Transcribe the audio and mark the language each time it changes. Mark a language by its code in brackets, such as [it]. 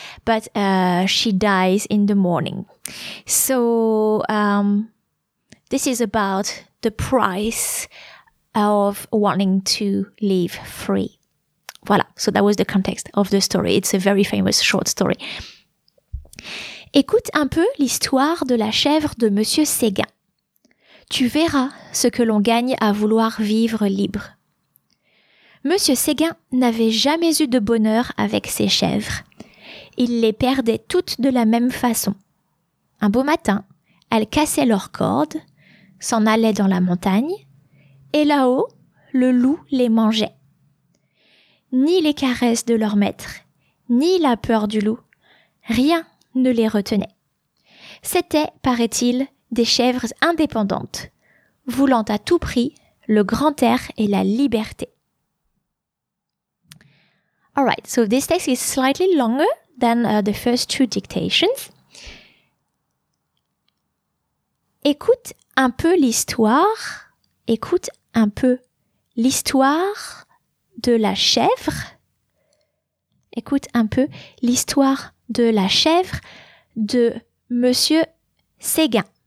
[en] But she dies in the morning. So this is about the price of wanting to live free. Voilà. So that was the context of the story. It's a very famous short story. [fr] Écoute un peu l'histoire de la chèvre de Monsieur Séguin. Tu verras ce que l'on gagne à vouloir vivre libre. Monsieur Séguin n'avait jamais eu de bonheur avec ses chèvres. Il les perdait toutes de la même façon. Un beau matin, elles cassaient leurs cordes, s'en allaient dans la montagne, et là-haut, le loup les mangeait. Ni les caresses de leur maître, ni la peur du loup, rien ne les retenait. C'était, paraît-il, des chèvres indépendantes, voulant à tout prix le grand air et la liberté. [en] All right, so this text is slightly longer than the first two dictations. [fr] Écoute un peu l'histoire, écoute un peu l'histoire de la chèvre, écoute un peu l'histoire de la chèvre de Monsieur Séguin.